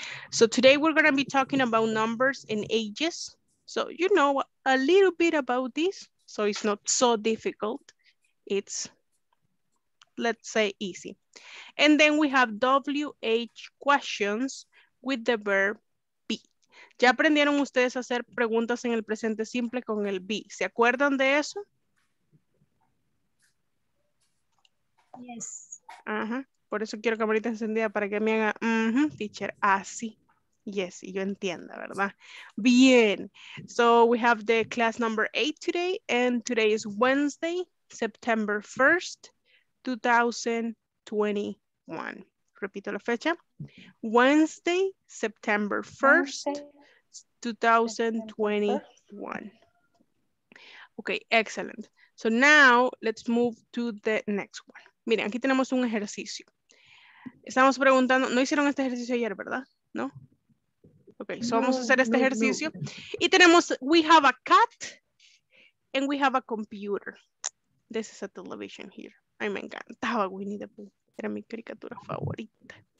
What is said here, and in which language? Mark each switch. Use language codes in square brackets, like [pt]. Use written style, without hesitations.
[en] So today we're going to be talking about numbers and ages. So you know a little bit about this. So it's not so difficult. It's, let's say, easy. And then we have WH questions with the verb. [es] ¿Ya aprendieron ustedes a hacer preguntas en el presente simple con el be? ¿Se acuerdan de eso? [en] Yes. [es] Ajá. Por eso quiero camarita encendida para que me haga teacher. Así. Ah, yes, y yo entienda, ¿verdad? Bien. [en] So we have the class number 8 today, and today is Wednesday, September 1st, 2021. [es] Repito la fecha. [en] Wednesday, September 1st. [es] Okay. 2021. Ok, excelente. [en] So now, let's move to the next one. [es] Miren, aquí tenemos un ejercicio. Estamos preguntando, ¿no hicieron este ejercicio ayer, verdad? ¿No? Ok, so no, vamos a hacer este ejercicio. No. Y tenemos, [en] we have a cat and we have a computer. This is a television here. [es] Ay, me encantaba [en] Winnie the Pooh. [es] Era mi caricatura favorita.